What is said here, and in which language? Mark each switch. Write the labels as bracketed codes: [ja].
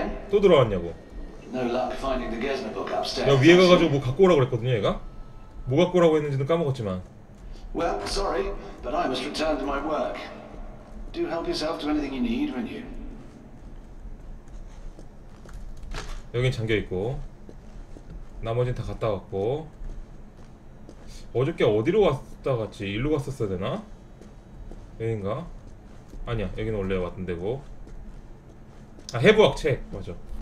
[ko] 또 들어왔냐고. 야 위에 가가지고 뭐 갖고 오라고 그랬거든요 얘가? 뭐 갖고 오라고 했는지는 까먹었지만. [en] Well, sorry, but I must return to my work. Do help yourself to anything you need, won't you? [ko] 여긴 잠겨있고 나머진 다 갔다 왔고. 어저께 어디로 갔다 갔지? 일로 갔었어야 되나? 여긴가? 아니야 여긴 원래 왔던 데고. 아 해부학 책 맞아.